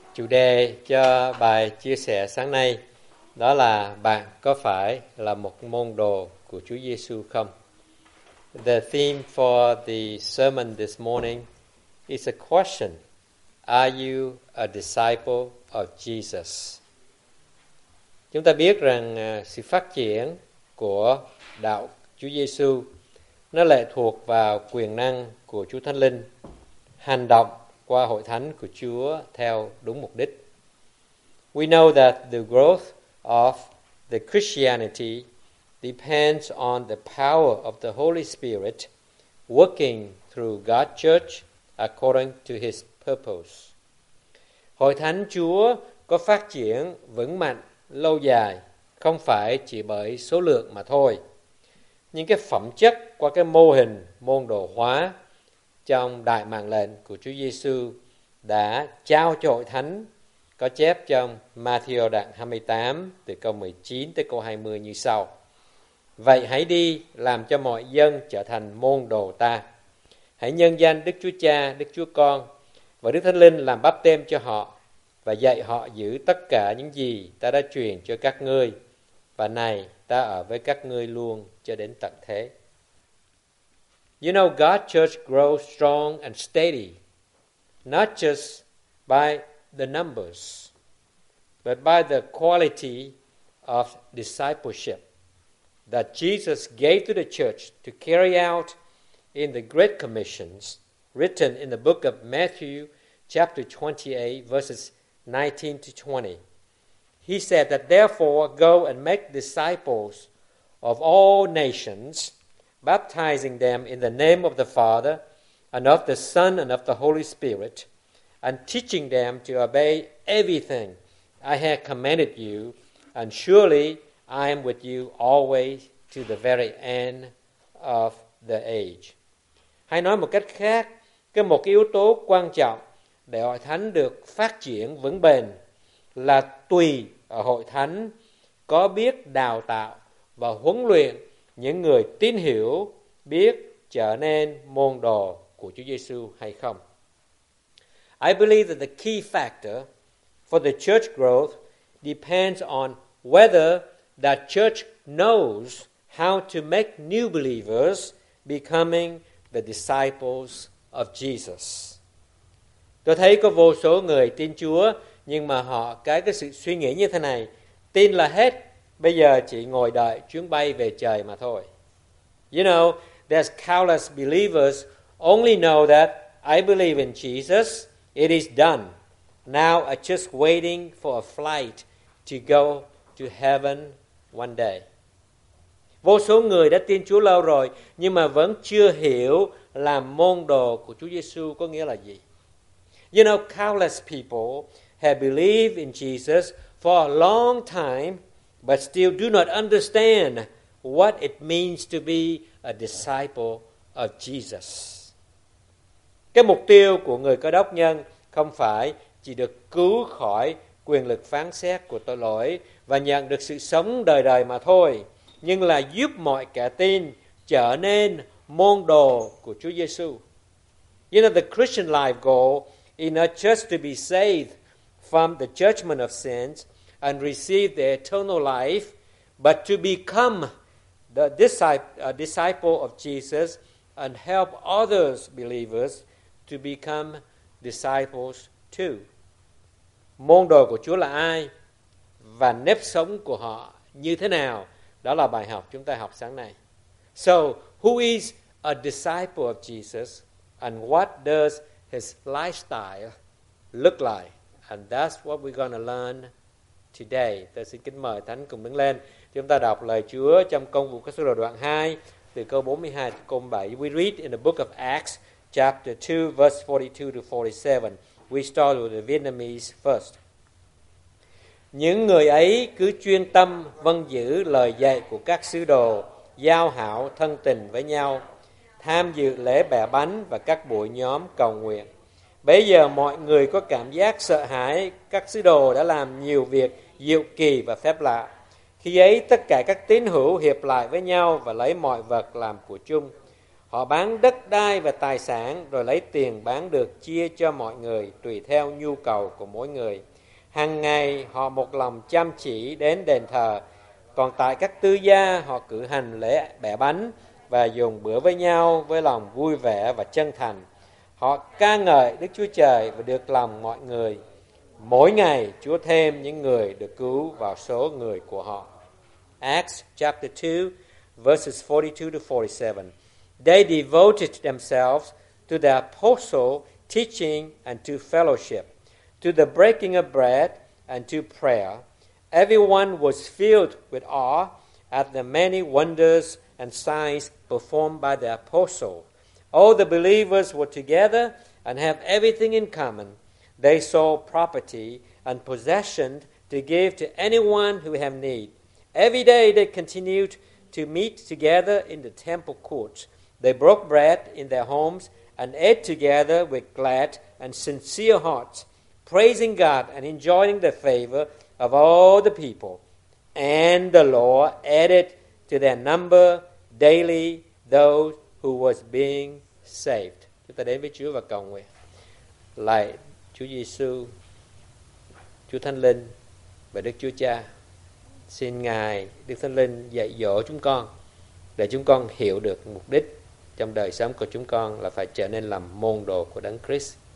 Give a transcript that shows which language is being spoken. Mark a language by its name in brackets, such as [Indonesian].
[Vietnamese] chủ đề cho bài chia sẻ sáng nay đó là bạn có phải là một môn đồ của Chúa Giêsu không? [English] The theme for the sermon this morning is a question. Are you a disciple of Jesus? [Vietnamese] Chúng ta biết rằng sự phát triển của đạo Chúa Giêsu nó lệ thuộc vào quyền năng của Chúa Thánh Linh, hành động qua hội thánh của Chúa theo đúng mục đích. [English] We know that the growth of the Christianity depends on the power of the Holy Spirit working through God's church according to His purpose. [Vietnamese] Hội thánh Chúa có phát triển vững mạnh lâu dài không phải chỉ bởi số lượng mà thôi, nhưng cái phẩm chất qua cái mô hình môn đồ hóa trong đại mạng lệnh của Chúa Giêsu đã trao cho hội thánh, có chép trong Matthew đoạn 28 từ câu 19 tới câu 20 như sau: Vậy hãy đi làm cho mọi dân trở thành môn đồ ta. Hãy nhân danh Đức Chúa Cha, Đức Chúa Con và Đức Thánh Linh làm báp têm cho họ và dạy họ giữ tất cả những gì ta đã truyền cho các ngươi. Và này, ta ở với các ngươi luôn cho đến tận thế. [English] You know, God's church grows strong and steady, not just by the numbers, but by the quality of discipleship that Jesus gave to the church to carry out in the Great Commissions written in the book of Matthew, chapter 28, verses 19 to 20. He said that, therefore, go and make disciples of all nations, baptizing them in the name of the Father and of the Son and of the Holy Spirit, and teaching them to obey everything I have commanded you, and surely I am with you always to the very end of the age. [Vietnamese] Hay nói một cách khác, cái một yếu tố quan trọng để hội thánh được phát triển vững bền là tùy ở hội thánh có biết đào tạo và huấn luyện những người tín hữu biết trở nên môn đồ của Chúa Giêsu hay không. [English] I believe that the key factor for the church growth depends on whether that church knows how to make new believers becoming the disciples of Jesus. [Vietnamese] Tôi thấy có vô số người tin Chúa nhưng mà họ cái sự suy nghĩ như thế này, tin là hết. Bây giờ chỉ ngồi đợi chuyến bay về trời mà thôi. [English] You know, there's countless believers only know that I believe in Jesus, it is done. Now I'm just waiting for a flight to go to heaven one day. [Vietnamese] Vô số người đã tin Chúa lâu rồi, nhưng mà vẫn chưa hiểu là môn đồ của Chúa Giêsu có nghĩa là gì. [English] You know, countless people have believed in Jesus for a long time, but still do not understand what it means to be a disciple of Jesus. [Vietnamese] Cái mục tiêu của người Cơ Đốc nhân không phải chỉ được cứu khỏi quyền lực phán xét của tội lỗi và nhận được sự sống đời đời mà thôi, nhưng là giúp mọi kẻ tin trở nên môn đồ của Chúa Giêsu. [English] You know, the Christian life goal is not just to be saved from the judgment of sins and receive the eternal life, but to become the disciple of Jesus and help others believers to become disciples too. [Vietnamese] Môn đồ của Chúa là ai và nếp sống của họ như thế nào? Đó là bài học chúng ta học sáng nay. [English] So, who is a disciple of Jesus and what does his lifestyle look like? And that's what we're going to learn today. [Vietnamese] Tôi xin kính mời Thánh cùng đứng lên. Chúng ta đọc lời Chúa trong Công vụ Các Sứ đồ đoạn 2 từ câu 42 đến câu 7. [English] We read in the book of Acts chapter 2 verse 42 to 47. We start with the Vietnamese first. [Vietnamese] Những người ấy cứ chuyên tâm vâng giữ lời dạy của các sứ đồ, giao hảo thân tình với nhau, tham dự lễ bẻ bánh và các buổi nhóm cầu nguyện. Bây giờ mọi người có cảm giác sợ hãi, các sứ đồ đã làm nhiều việc diệu kỳ và phép lạ. Khi ấy tất cả các tín hữu hiệp lại với nhau và lấy mọi vật làm của chung. Họ bán đất đai và tài sản rồi lấy tiền bán được chia cho mọi người tùy theo nhu cầu của mỗi người. Hằng ngày họ một lòng chăm chỉ đến đền thờ, còn tại các tư gia họ cử hành lễ bẻ bánh và dùng bữa với nhau với lòng vui vẻ và chân thành. Họ ca ngợi Đức Chúa Trời và được lòng mọi người. Mỗi ngày Chúa thêm những người được cứu vào số người của họ. [English] Acts chapter 2 verses 42 to 47. They devoted themselves to the apostle teaching and to fellowship, to the breaking of bread and to prayer. Everyone was filled with awe at the many wonders and signs performed by the apostle. All the believers were together and had everything in common. They sold property and possessions to give to anyone who had need. Every day they continued to meet together in the temple courts. They broke bread in their homes and ate together with glad and sincere hearts, praising God and enjoying the favor of all the people. And the Lord added to their number daily those who was being saved. [Vietnamese] Chúng ta đến với Chúa và cầu nguyện. Lạy Chúa Giêsu, Chúa Thánh Linh và Đức Chúa Cha, xin Ngài Đức Thánh Linh dạy dỗ chúng con để chúng con hiểu được mục đích trong đời sống của chúng con là phải trở nên làm môn đồ của Đấng Christ.